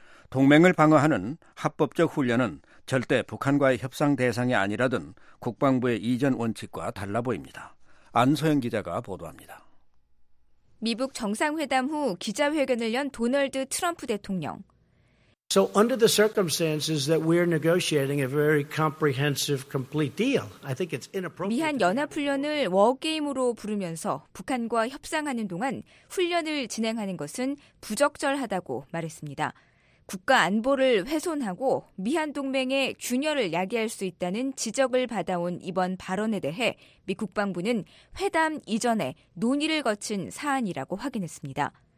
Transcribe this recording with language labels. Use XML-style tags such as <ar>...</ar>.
<ko>동맹을 방어하는 합법적 훈련은 절대 북한과의 협상 대상이 아니라던 국방부의 이전 원칙과 달라 보입니다. 안소영 기자가 보도합니다. 미국 정상회담 후 기자회견을 연 도널드 트럼프 대통령.</ko> <en>So under the circumstances that we're negotiating a very comprehensive, complete deal, I think it's inappropriate.</en> <ko>미한 연합훈련을 워게임으로 부르면서 북한과 협상하는 동안 훈련을 진행하는 것은 부적절하다고 말했습니다. 국가 안보를 훼손하고 미한 동맹의 균열을 야기할 수 있다는 지적을 받아온 이번 발언에 대해 미 국방부는 회담 이전에 논의를 거친 사안이라고 확인했습니다.</ko>